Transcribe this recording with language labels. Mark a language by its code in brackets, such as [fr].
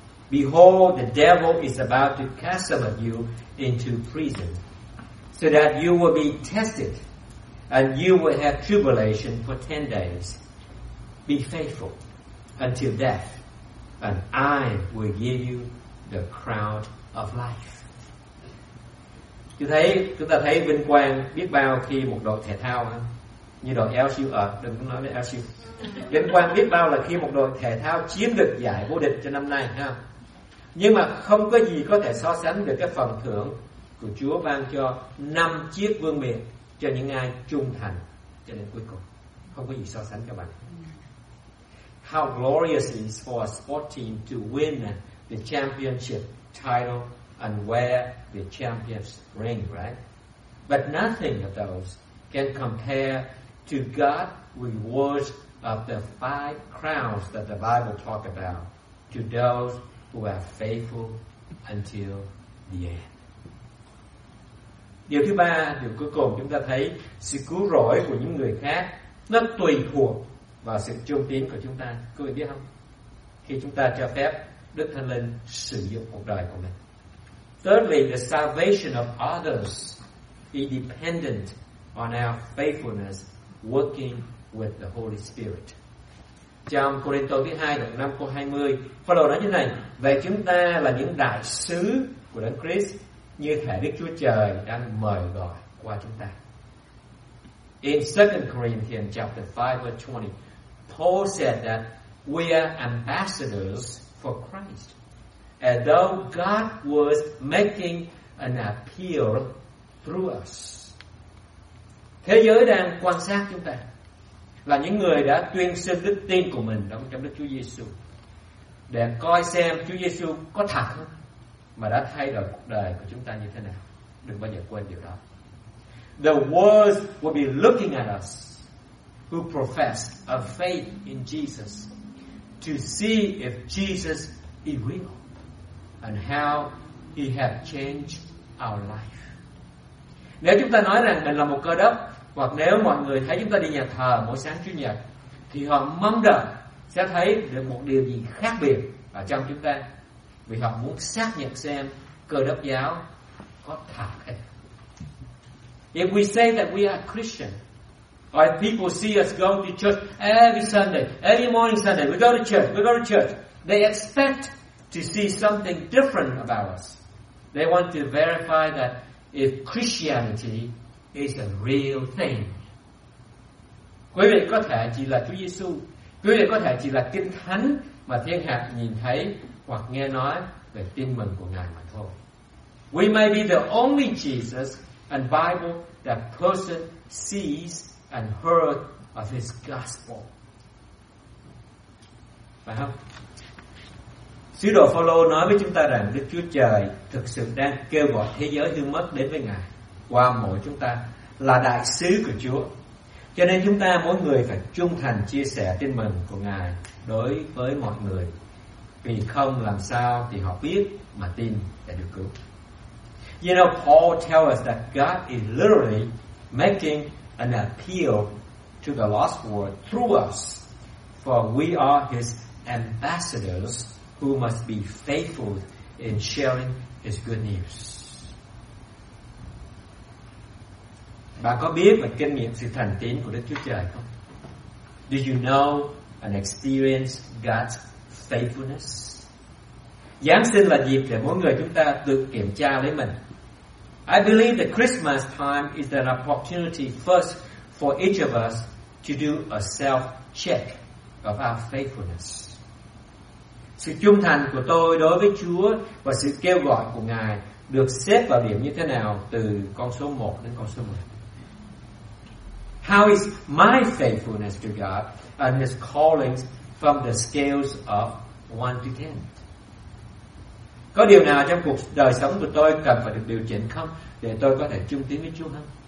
[en] Behold, the devil is about to cast some of you into prison, so that you will be tested, and you will have tribulation for 10 days. Be faithful until death, and I will give you the crown of life. [vi] Chúng ta thấy vinh quang biết bao khi một đội thể thao như đội LSU, đừng có nói với LSU. Vinh quang biết bao là khi một đội thể thao chiếm được giải vô địch cho năm nay, ha. Nhưng mà không có gì có thể so sánh được cái phần thưởng của Chúa ban cho 5 chiếc vương miện cho những ai trung thành cho đến cuối cùng. Không có gì so sánh các bạn. [en] How glorious it is for a sport team to win the championship title and wear the champion's ring, right? But nothing of those can compare to God's rewards of the 5 crowns that the Bible talk about to those who are faithful until the end. [vi] Điều thứ ba, điều cuối cùng chúng ta thấy sự cứu rỗi của những người khác nó tùy thuộc vào sự trung tín của chúng ta. Quý vị biết không? Khi chúng ta cho phép Đức Thánh Linh sử dụng cuộc đời của mình. [en] Thirdly, the salvation of others is dependent on our faithfulness working with the Holy Spirit. [vi] Trong Cô-rinh-tô thứ 2 đoạn 5 câu 20, Phao-lô nói như này: về chúng ta là những đại sứ của Đấng Christ, như thể Đức Chúa Trời đang mời gọi qua chúng ta. [en] In 2 Corinthians chapter 5 verse 20, Paul said that we are ambassadors for Christ, as though God was making an appeal through us. [vi] Thế giới đang quan sát chúng ta, là những người đã tuyên xưng đức tin của mình trong Đức Chúa Giêsu, để coi xem Chúa Giêsu có thật không, mà đã thay đổi cuộc đời của chúng ta như thế nào. Đừng bao giờ quên điều đó. [en] The world will be looking at us who profess a faith in Jesus to see if Jesus is real and how he has changed our life. [vi] Nếu chúng ta nói rằng mình là một cơ đốc, hoặc nếu mọi người thấy chúng ta đi nhà thờ mỗi sáng Chủ nhật, thì họ mong đợi sẽ thấy được một điều gì khác biệt ở trong chúng ta, vì họ muốn xác nhận xem cơ đốc giáo có thật hay không. [en] If we say that we are Christian, or if people see us go to church every Sunday, every morning Sunday, we go to church, they expect to see something different about us. They want to verify that if Christianity is a real thing. [vi] Quý vị có thể chỉ là Chúa Giêsu, quý vị có thể chỉ là Kinh Thánh mà thiên hạ nhìn thấy hoặc nghe nói về tin mừng của Ngài mà thôi. [en] We may be the only Jesus and Bible that person sees and heard of his gospel. [vi] Phải không? Sứ đồ Phaolô nói với chúng ta rằng Đức Chúa Trời thực sự đang kêu gọi thế giới hư mất đến với Ngài qua mỗi chúng ta là đại sứ của Chúa. Cho nên chúng ta mỗi người phải trung thành chia sẻ tin mừng của Ngài đối với mọi người, vì không làm sao thì họ biết mà tin để được cứu. [en] You know, Paul tells us that God is literally making an appeal to the lost world through us, for we are his ambassadors who must be faithful in sharing his good news. [vi] Bạn có biết về kinh nghiệm sự thành tín của Đức Chúa Trời không? [en] Do you know and experience God's faithfulness? [vi] Giáng sinh là dịp để mỗi người chúng ta tự kiểm tra lấy mình. [en] I believe that Christmas time is an opportunity first for each of us to do a self-check of our faithfulness. [vi] Sự trung thành của tôi đối với Chúa và sự kêu gọi của Ngài được xếp vào điểm như thế nào từ con số 1 đến con số 10? [en] How is my faithfulness to God and His callings from the scales of 1 to 10? [vi] Có điều nào trong cuộc đời sống của tôi cần phải được điều chỉnh không để tôi có thể trung tín với Chúa không?